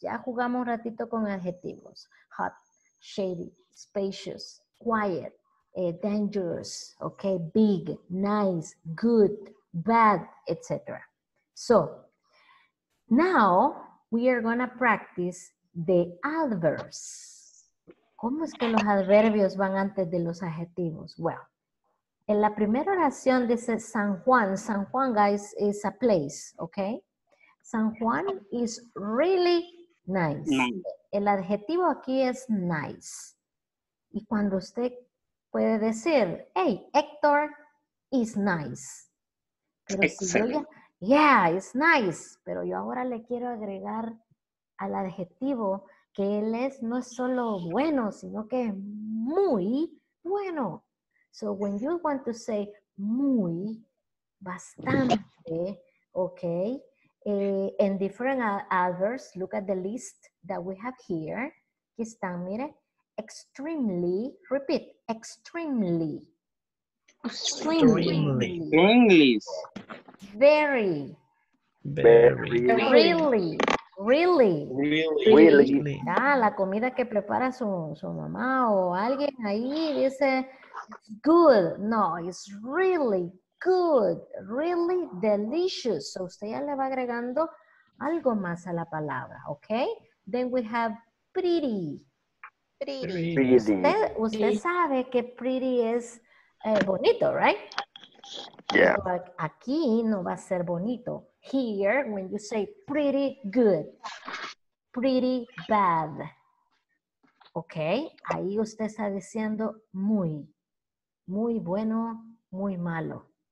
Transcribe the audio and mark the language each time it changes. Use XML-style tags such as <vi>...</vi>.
<es>Ya jugamos un ratito con adjetivos.</es> <en>Hot, shady, spacious, quiet. Dangerous, okay, big, nice, good, bad, etc. So, now we are going to practice the adverbs.</en> <es>¿Cómo es que los adverbios van antes de los adjetivos? Well, en la primera oración dice San Juan.</es> <en>San Juan, guys, is a place, okay? San Juan is really nice.</en> <es>El adjetivo aquí es nice. Y cuando usted puede decir,</es> <en>hey, Héctor is nice.</en> <es>Pero excellent. Si yo ya,</es> <en>yeah, it's nice.</en> <es>Pero yo ahora le quiero agregar al adjetivo que él es no es solo bueno, sino que es muy bueno.</es> <en>So when you want to say</en> <es>muy, bastante,</es> <en>okay, in different adverbs, look at the list that we have here.</en> <es>Aquí están, mire.</es> <en>Extremely, repeat, extremely. Extremely. English. Very. Very. Really. Really. Really. Really.</en> <es>Ah, la comida que prepara su mamá o alguien ahí dice, good.</es> <en>No, it's really good. Really delicious.</en> <es>So usted ya le va agregando algo más a la palabra, okay?</es> <en>Then we have pretty. Pretty.</en> <es>Usted sabe que pretty es bonito, right?</es> <en>Yeah.</en> <es>But aquí no va a ser bonito.</es> <en>Here, when you say pretty good, pretty bad. Okay.</en> <es>Ahí usted está diciendo muy, muy bueno, muy malo.</es>